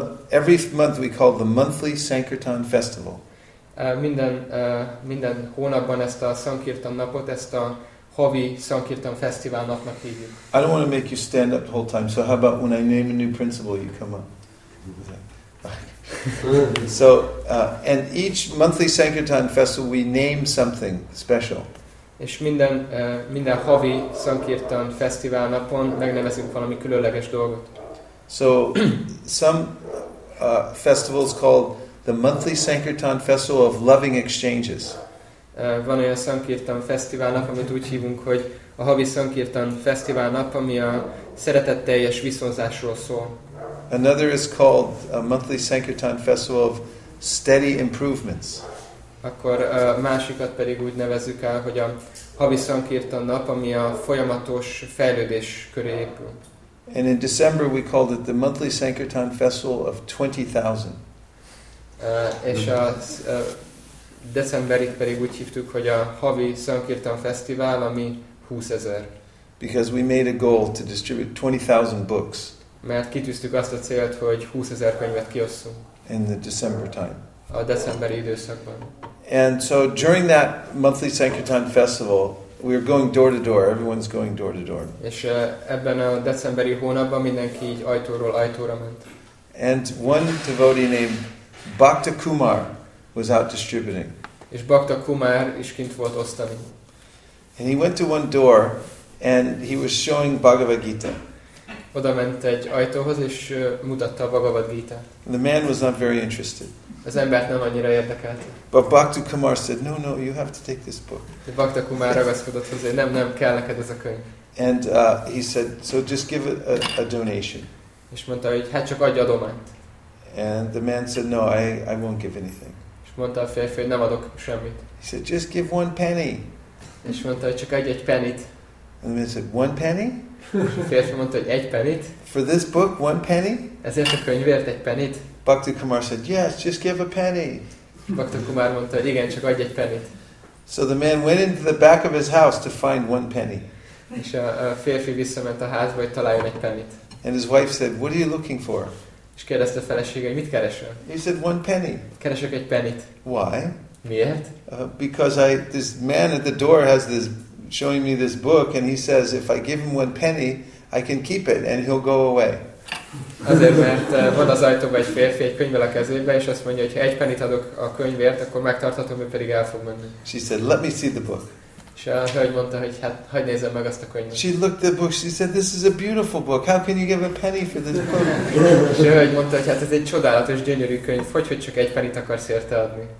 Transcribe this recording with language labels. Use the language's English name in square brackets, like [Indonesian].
[English] Every month we called the monthly Sankirtan festival. [Hungarian] Minden hónapban ezt a Sankirtan napot, ezt a havi Sankirtan fesztivál napnak hívjuk. [English] I don't want to make you stand up the whole time. So how about when I name a new principle, you come up. So and each monthly Sankirtan festival we name something special. [Hungarian] És minden havi Sankirtan fesztivál napon megnevezünk valami különleges dolgot. [English] So some festivals called the monthly Sankirtan festival of loving exchanges. [Hungarian] Van olyan Sankirtan fesztivál nap, amit úgy hívunk, hogy a havi Sankirtan fesztivál nap, ami a szeretetteljes viszonzásról szól. [English] Another is called a monthly Sankirtan festival of steady improvements. [Hungarian] Akkor másikat pedig úgy nevezzük el, hogy a havi Sankirtan nap, ami a folyamatos fejlődés köré épül. [English] And in December we called it the monthly Sankirtan festival of 20,000. [Hungarian] És a decemberit pedig úgy hívtuk, hogy a havi Sankirtan fesztivál, ami 20,000. [English] Because we made a goal to distribute 20,000 books. [Hungarian] Mert kitűztük azt a célt, hogy 20,000 könyvet kiosszunk. [English] In the December time. [Hungarian] A decemberi időszakban. [English] And so during that monthly Sankirtan festival, we are going door to door. Everyone's going door to door. [Hungarian] És ebben a decemberi hónapban mindenki így ajtóról ajtóra ment. [English] And one devotee named Bhakta Kumar was out distributing. [Hungarian] És Bhakta Kumar is kint volt osztani. [English] And he went to one door, and he was showing Bhagavad Gita. [Hungarian] Oda ment egy ajtóhoz, és mutatta a Bhagavad Gita-t. [English] The man was not very interested. [Hungarian] Az embert nem annyira érdekelte. [English] But Bhakta Kumar said, no, you have to take this book. [Hungarian] Bhakta Kumar ragaszkodott hozzá, nem, kell neked ez a könyv. [English] And he said, so just give a donation. [Hungarian] És mondta, hogy hát csak adj adományt. [English] And the man said, no, I won't give anything. [Hungarian] És mondta a férfi, hogy nem adok semmit. [English] He said, just give one penny. [Hungarian] És mondta, hogy csak egy pennyt. [English] And the man said, one penny? [Hungarian] A férfi mondta, hogy egy pennyt. [English] For this book, one penny? [Hungarian] Ezért a könyvért egy pennyt. [English] Bhakta Kumar said, yes, just give a penny. [Hungarian] Bhakta Kumar mondta, hogy igen, csak adj egy pennyt. [English] So the man went into the back of his house to find one penny. [Hungarian] És a férfi visszament a házba, hogy találjon egy pennyt. [English] And his wife said, what are you looking for? [Hungarian] És kérdezte a felesége, hogy mit keresel? [English] He said, one penny. [Hungarian] Keresek egy pennyt. [English] Why? [Hungarian] Miért? [English] Because this man at the door has this showing me this book, and he says, if I give him one penny, I can keep it, and he'll go away. [Hungarian] Azért, mert van az ajtóban egy férfi egy könyvvel a kezében, és azt mondja, hogy ha egy pennyt adok a könyvért, akkor megtarthatom, ő pedig el fog menni. [English] She said, let me see the book. [Hungarian] És a hölgy mondta, hogy hát, hagyd nézzem meg azt a könyvet. [English] She looked at the book, she said, this is a beautiful book, how can you give a penny for this book? [Hungarian] És a hölgy mondta, hogy hát ez egy csodálatos, gyönyörű könyv, hogy csak egy pennyt akarsz érte adni.